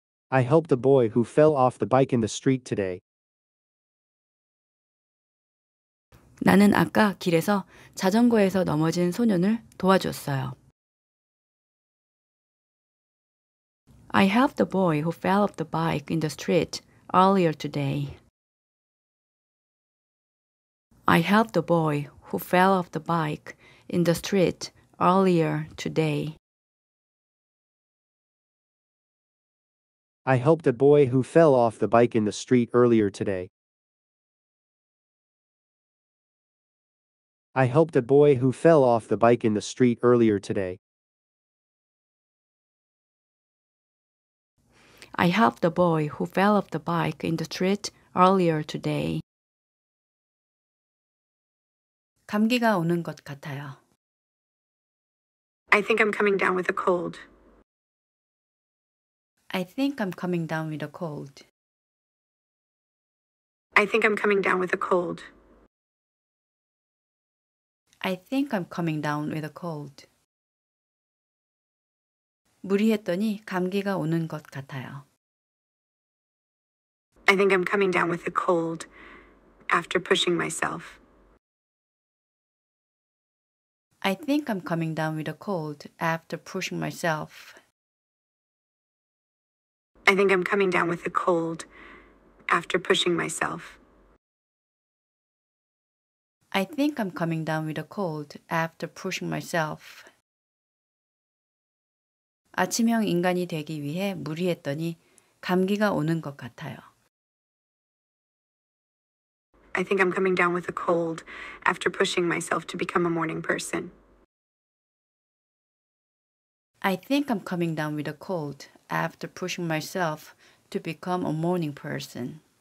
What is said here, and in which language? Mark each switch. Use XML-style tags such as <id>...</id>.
<en>I helped a boy who fell off the bike in the street today.</en> <ko>나는 아까 길에서 자전거에서 넘어진 소년을 도와줬어요.</ko> <en>I helped a boy who fell off the bike in the street earlier today. I helped a boy who fell off the bike in the street earlier today. I helped a boy who fell off the bike in the street earlier today. I helped a boy who fell off the bike in the street earlier today. I helped a boy who fell off the bike in the street earlier today.</en> <ko>감기가 오는 것 같아요.</ko> <en>I think I'm coming down with a cold. I think I'm coming down with a cold. I think I'm coming down with a cold. I think I'm coming down with a cold.</en> <ko>무리했더니 감기가 오는 것 같아요.</ko> <en>I think I'm coming down with a cold after pushing myself. I think I'm coming down with a cold after pushing myself. I think I'm coming down with a cold after pushing myself. I think I'm coming down with a cold after pushing myself.</en> <ko>아침형 인간이 되기 위해 무리했더니 감기가 오는 것 같아요.</ko> <en>I think I'm coming down with a cold after pushing myself to become a morning person. I think I'm coming down with a cold after pushing myself to become a morning person.</en>